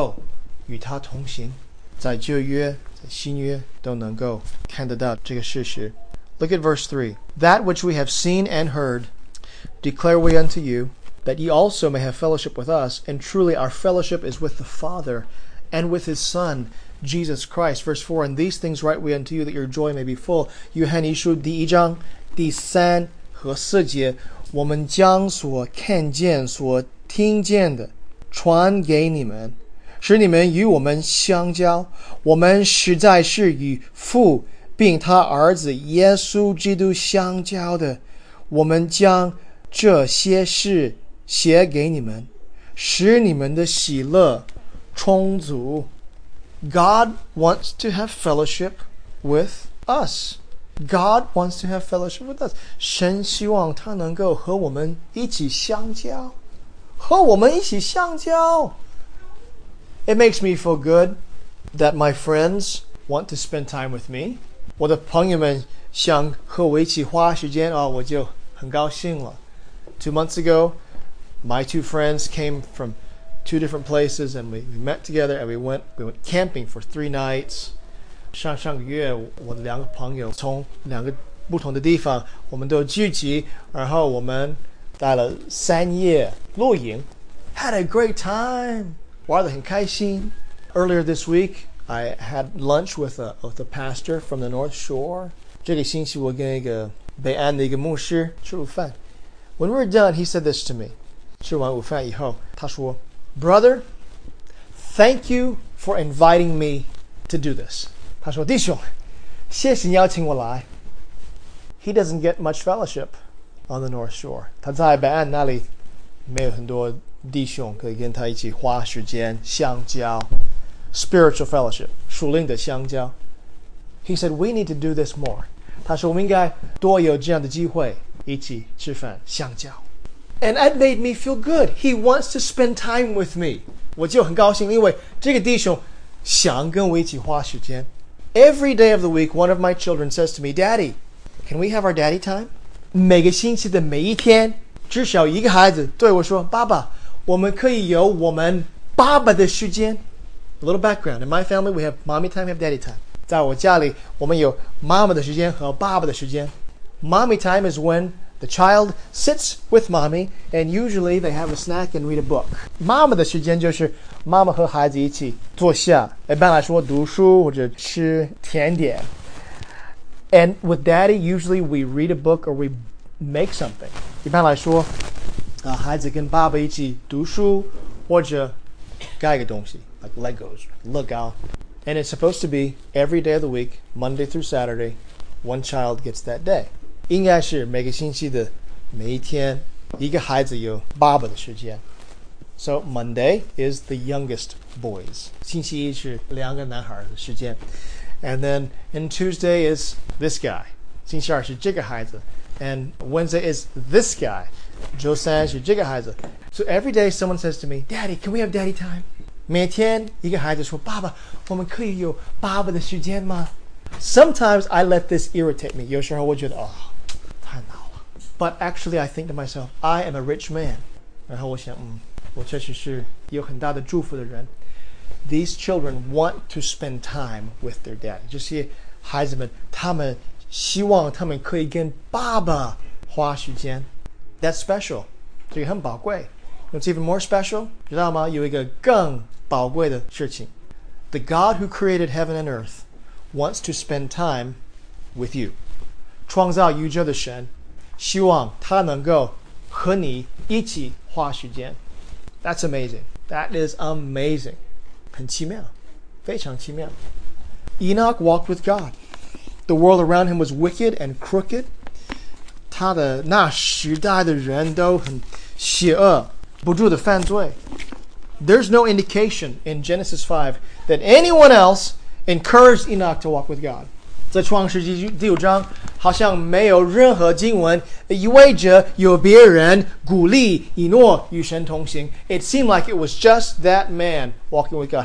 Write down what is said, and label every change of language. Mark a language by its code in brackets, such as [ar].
[zh] 神希望你能够与他同行. 在旧约、在新约都能够看得到这个事实. [en] Look at verse 3. That which we have seen and heard, declare we unto you, that ye also may have fellowship with us, and truly our fellowship is with the Father, and with His Son, Jesus Christ. Verse 4. And these things write we unto you, that your joy may be full. [zh] 约翰一书第一章第三和四节, 我们将所看见所听见的传给你们, 使你们与我们相交, 我们实在是与父, 并他儿子耶稣基督相交的, 我们将这些事写给你们, 使你们的喜乐充足. [en] God wants to have fellowship with us. God wants to have fellowship with us. [zh] 神希望他能够和我们一起相交, 和我们一起相交. [en] It makes me feel good that my friends want to spend time with me. [zh] 我的朋友们想和我一起花时间, 我就很高兴了. [en] 2 months ago, my two friends came from two different places and we met together and we went camping for 3 nights. [zh] 上个月我的两个朋友从两个不同的地方, 我们都聚集,然后我们待了3夜露营. [en] Had a great time! [zh] 玩得很开心. [en] Earlier this week, I had lunch with a pastor from the North Shore. [zh] 这个星期我跟一个北岸的一个牧师吃午饭. [en] When we were done, he said this to me. [zh] 吃完午饭以后,他说, [en] Brother, thank you for inviting me to do this. [zh] 他说,弟兄,谢谢你邀请我来. [en] He doesn't get much fellowship on the North Shore. [zh] 他在北岸那里没有很多弟兄可以跟他一起花时间相交. [en] Spiritual fellowship, [zh] 属灵的相交. [en] He said, we need to do this more. [zh] 他说我们应该多有这样的机会一起吃饭相交. [en] And that made me feel good. He wants to spend time with me. [zh] 我就很高兴因为这个弟兄想跟我一起花时间. [en] Every day of the week, one of my children says to me, Daddy, can we have our daddy time? [zh] 每个星期的每一天, 至少一个孩子对我说, 爸爸, 我们可以有我们爸爸的时间。 [en] A little background. In my family, we have mommy time, we have daddy time. [zh] 在我家里，我们有妈妈的时间和爸爸的时间。 [en] Mommy time is when the child sits with mommy, and usually they have a snack and read a book. [zh] 妈妈的时间就是妈妈和孩子一起坐下，一般来说读书或者吃甜点。 [en] And with daddy, usually we read a book or we make something. [zh] 一般来说，孩子跟爸爸一起读书或者盖个东西。 [en] Like Legos, Lego. And it's supposed to be every day of the week, Monday through Saturday, one child gets that day. [zh] 应该是每个星期的每一天一个孩子有爸爸的时间。 [en] So Monday is the youngest boys. [zh] 星期一是两个男孩的时间。 [en] And then in Tuesday is this guy. [zh] 星期二是这个孩子。 [en] And Wednesday is this guy. [zh] 周三是这个孩子。 [en] So every day someone says to me, Daddy, can we have daddy time? [zh] 每天一个孩子说爸爸我们可以有爸爸的时间吗 [en] Sometimes I let this irritate me [zh] 有时候我觉得、哦、太恼了 [en] But actually I think to myself I am a rich man [zh] 然后我想、我确实是有很大的祝福的人 [en] These children want to spend time with their dad [zh] 这些孩子们他们希望他们可以跟爸爸花时间 [en] That's special [zh] 这个很宝贵 [en] What's even more special? [zh] 知道吗？有一个更宝贵的事情。 [en] The God who created heaven and earth wants to spend time with you. [zh] 创造宇宙的神希望他能够和你一起花时间。 [en] That's amazing. That is amazing. [zh] 很奇妙，非常奇妙。 [en] Enoch walked with God. The world around him was wicked and crooked. [zh] 他的那时代的人都很邪恶。不住的犯罪 [en] There's no indication in Genesis 5 that anyone else encouraged Enoch to walk with God. [zh] 在创世纪第五章好像没有任何经文意味着有别人鼓励以诺与神同行 [en] It seemed like it was just that man walking with God.